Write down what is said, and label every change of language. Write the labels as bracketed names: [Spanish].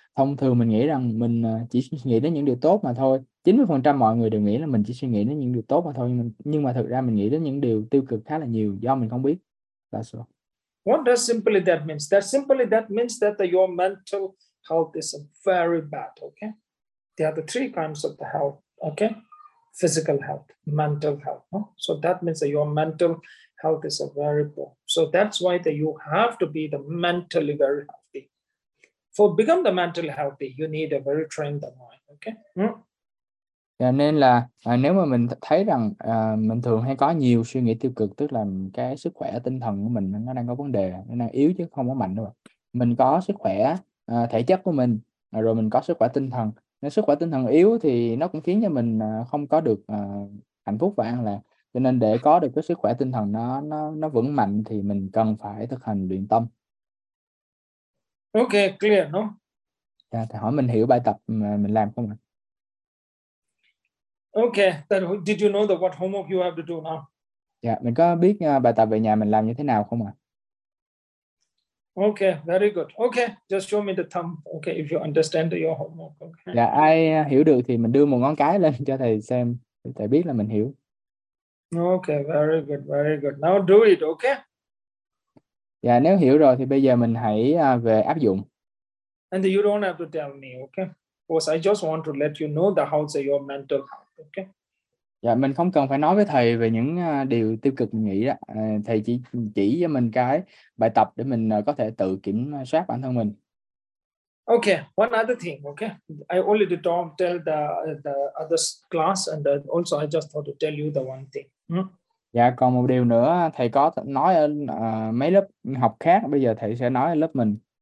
[Vietnamese] Thông thường mình nghĩ rằng mình chỉ suy nghĩ đến những điều tốt mà thôi. 90% mọi người đều nghĩ là mình chỉ suy nghĩ đến những điều tốt mà thôi, nhưng mà thực ra mình nghĩ đến những điều tiêu cực khá là nhiều do mình không biết. [English] That's all. What does simply that means? That simply that means that your mental health is very bad, okay? There are the three kinds of the health, okay? Physical health, mental health. No? So that means that your mental health is a very poor. So that's why that you have to be the mentally very healthy. For become the mentally healthy, you need a very trained mind, okay? [Vietnamese] Yeah, nên là nếu mà mình thấy rằng mình thường hay có nhiều suy nghĩ tiêu cực, tức là cái sức khỏe tinh thần của mình nó đang có vấn đề, nó đang yếu chứ không có mạnh đâu. Mình có sức khỏe thể chất của mình, rồi mình có sức khỏe tinh thần. Nếu sức khỏe tinh thần yếu thì nó cũng khiến cho mình không có được hạnh phúc và an lạc. Cho nên để có được cái sức khỏe tinh thần nó vững mạnh thì mình cần phải thực hành luyện tâm. [English] Okay, clear, no? [Vietnamese] Dạ, thầy hỏi mình hiểu bài tập mà mình làm không ạ? [English] Okay, then did you know that what homework you have to do now? [Vietnamese] Dạ, mình có biết bài tập về nhà mình làm như thế nào không ạ? [English] Okay, very good. Okay, just show me the thumb. Okay, if you understand your homework. Okay. [Vietnamese] Dạ, ai hiểu được thì mình đưa một ngón cái lên cho thầy xem, thầy biết là mình hiểu. [English] Okay, very good, very good. Now do it, okay? [Vietnamese] Dạ, nếu hiểu rồi thì bây giờ mình hãy về áp dụng. [English] And you don't have to tell me, okay? Because I just want to let you know the how's your mental health, okay? [Vietnamese] Dạ, mình không cần phải nói với thầy về những điều tiêu cực mình nghĩ đó. Thầy chỉ cho mình cái bài tập để mình có thể tự kiểm soát bản thân mình. [English] Okay, one other thing. Okay, I already told the other class, and also I just thought to tell you the one thing. [Vietnamese] Dạ, còn một điều nữa, thầy có nói ở mấy lớp học khác, bây giờ thầy sẽ nói ở lớp mình.